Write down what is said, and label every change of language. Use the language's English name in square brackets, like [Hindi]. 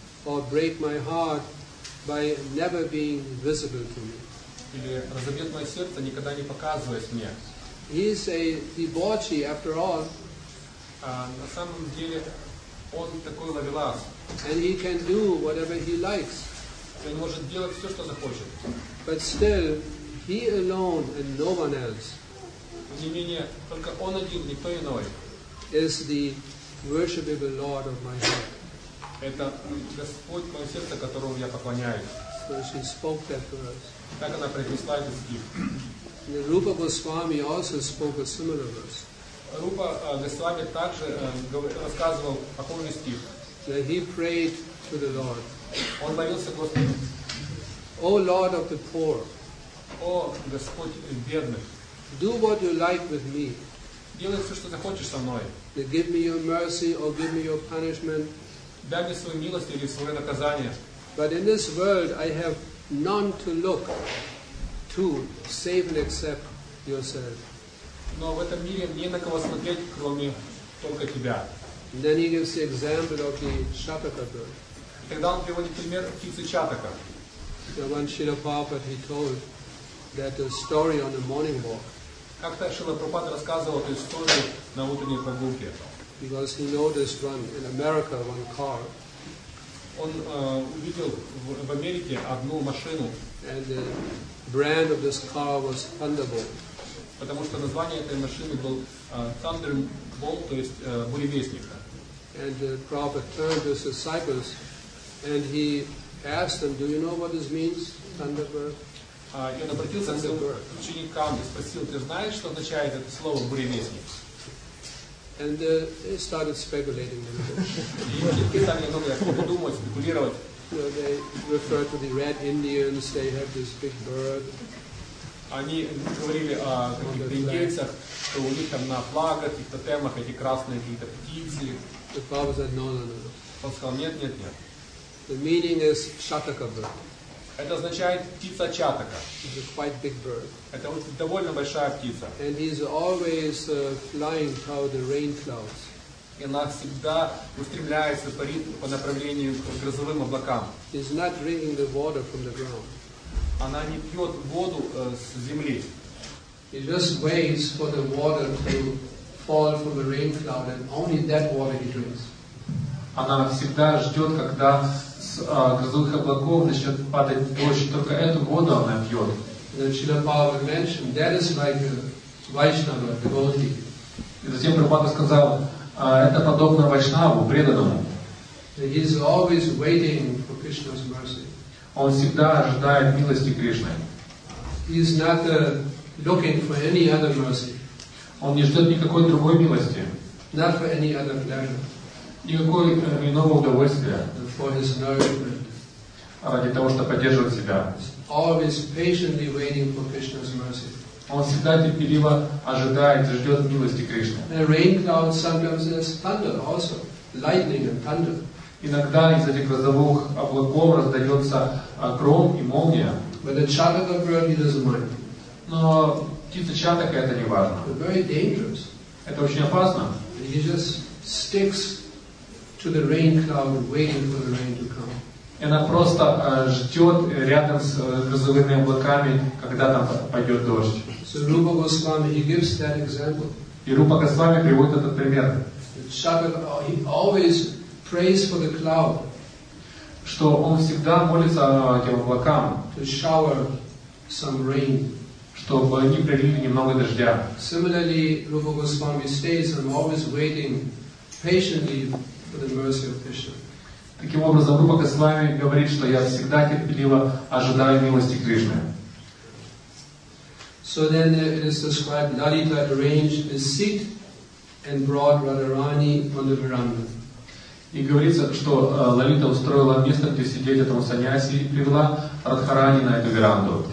[English] Or break my heart by never being visible to me. [Russian] Или разобьет мое сердце, никогда не показываясь мне. [English] He is a debauchee after all. [Russian] На самом деле, он такой ловелас. [English] And he can do whatever he likes. [Russian] Он может делать все, что захочет. [English] But still, he alone and no one else. [Russian] Тем не менее, только он один, никто иной. [English] Is the worshipable Lord of my heart. [Russian] Это Господь мое сердце, которому я поклоняюсь. [English] So she spoke that verse. [Russian] Так она произнесла этот стих. [English] The Rupa Goswami also spoke a similar verse. [Russian] Рупа Госвами также рассказывал похожий стих. [English] That he prayed to the Lord. [Russian] Он молился Господу. [English] O Lord of the poor. [Russian] О Господь бедных. [English] Do what you like with me. [Russian] Делай все, что захочешь со мной. [English] Then give me your mercy or give me your punishment. [Russian] Дай мне свою милость или свое наказание. [English] But in this world I have none to look to save and accept yourself. [Russian] Но в этом мире не на кого смотреть, кроме только тебя. [English] And then he gives the example of the Shataka bird. [Russian] Тогда он приводит пример птицы Чатака. [English] So when Srila Prabhupada he told that the story on the morning walk. [Russian] Как-то Шрила Прабхупада рассказывал эту историю на утренней прогулке. [English] Because he noticed one in America one car. [Russian] Он увидел в Америке одну машину. [English] And the brand of this car was Thunderbolt. [Russian] Потому что название этой машины был Thunderbolt, то есть буревестник. [English] And Prabhupada turned to his disciples and he asked them, do you know what this means, Thunderbolt? [Russian] И он обратился к своим ученикам и спросил, ты знаешь, что означает это слово буревестник? [English] And they started speculating. [Russian] И ученики стали немного думать, спекулировать. [English] So they referred to the Red Indians, they have this big bird. [Russian] Они говорили о каких-то индейцах, что у них там на флагах и тотемах эти красные какие-то птицы. [English] Prabhupada said, no, no, no. [Russian] Он сказал, нет, нет, нет. [English] The meaning is Shataka bird. [Russian] Это означает птица Чатака. [English] It's a quite big bird. [Russian] Это довольно большая птица. [English] And he's always flying toward the rain clouds. [Russian] И она всегда устремляется по направлению к грозовым облакам. [English] He's not drinking the water from the ground. [Russian] Она не пьет воду с земли. [English] He just waits for the water to fall from the rain cloud, and only that water he drinks. [Russian] Она всегда ждет, когда с грозовых облаков начнет падать дождь, только эту воду она пьет. [English] And Srila Prabhupada mentioned that is like a Vaishnava devotee. [Russian] И затем Прабхупада сказал, это подобно Вайшнаву, преданному. [English] He is always waiting for Krishna's mercy. [Russian] Он всегда ожидает милости Кришны. [English] He is not looking for any other mercy. [Russian] Он не ждет никакой другой милости. [English] Not for any other pleasure. [Russian] Никакой иного удовольствия. [English] For his nourishment. [Russian] Ради того, чтобы поддерживать себя. [English] Always patiently waiting for Krishna's mercy. [Russian] Он всегда терпеливо ожидает, ждет милости Кришны. [English] A rain cloud sometimes is thunder also, lightning and thunder. [Russian] Иногда из этих грозовых облаков раздается гром и молния. [English] But the chatterer bird doesn't mind. [Russian] Но птица чатака это не важно. [English] But very dangerous. [Russian] Это очень опасно. [English] And he just sticks to the rain cloud, waiting for the rain to come. [Russian] И она просто ждет рядом с грозовыми облаками, когда там пойдет дождь. [English] So Rupa Goswami, he gives that example. [Russian] И Рупа Госвами приводит этот пример. [English] Chatterer, he always prays for the cloud. [Russian] Что он всегда молится этим облакам. [English] To shower some rain. [Russian] Чтобы они пролили немного дождя. [English] Similarly, Rupa Goswami stays and always waiting patiently for the mercy of Krishna. [Russian] Таким образом, Рупа Госвами говорит, что я всегда терпеливо ожидаю милости Кришны. [English] So then it is described, Lalita arranged a seat and brought Radharani on the veranda. [Russian] И говорится, что Лалита устроила место, где сидеть этому саньяси, и привела Радхарани на эту веранду.